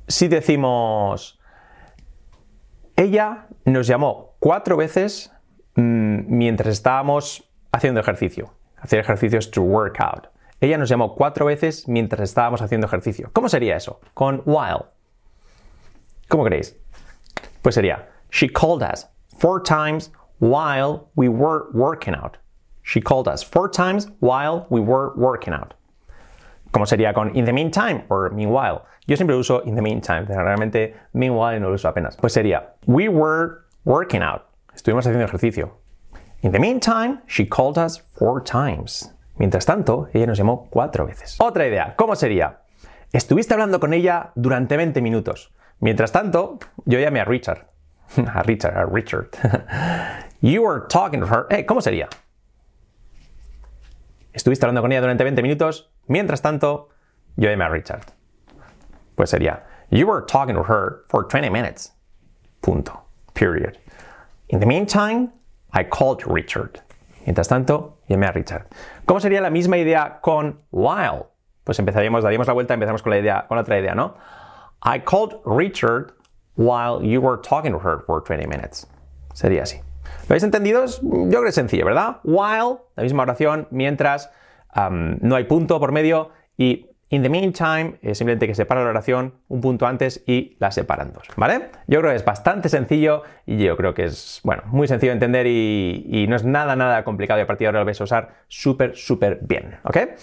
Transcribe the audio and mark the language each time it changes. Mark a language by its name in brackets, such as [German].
[Spanish] Si decimos, ella nos llamó 4 veces mientras estábamos haciendo ejercicio. Hacer ejercicio es to work out. Ella nos llamó 4 veces mientras estábamos haciendo ejercicio. ¿Cómo sería eso? Con while. ¿Cómo creéis? Pues sería, [English] she called us 4 times while we were working out. She called us 4 times while we were working out. [Spanish] ¿Cómo sería con in the meantime or meanwhile? Yo siempre uso in the meantime, pero realmente meanwhile no lo uso apenas. Pues sería, [English] we were working out. [Spanish] Estuvimos haciendo ejercicio. [English] In the meantime, she called us 4 times. [Spanish] Mientras tanto, ella nos llamó 4 veces. Otra idea, ¿cómo sería? Estuviste hablando con ella durante 20 minutos. Mientras tanto, yo llamé a Richard. A Richard. [English] You were talking to her. [Spanish] ¿Cómo sería? Estuviste hablando con ella durante 20 minutos. Mientras tanto, yo llamé a Richard. Pues sería, [English] you were talking to her for 20 minutes. Punto. Period. In the meantime, I called Richard. [Spanish] Mientras tanto, llamé a Richard. ¿Cómo sería la misma idea con while? Pues empezaríamos, daríamos la vuelta, empezamos con la idea, con otra idea, ¿no? [English] I called Richard while you were talking to her for 20 minutes. [Spanish] Sería así. ¿Lo habéis entendido? Yo creo que es sencillo, ¿verdad? While, la misma oración, mientras, no hay punto por medio. Y in the meantime, es simplemente que separa la oración un punto antes y la separan dos, ¿vale? Yo creo que es bastante sencillo y yo creo que es, bueno, muy sencillo de entender y no es nada, nada complicado y a partir de ahora lo vais a usar súper, súper bien, ¿ok?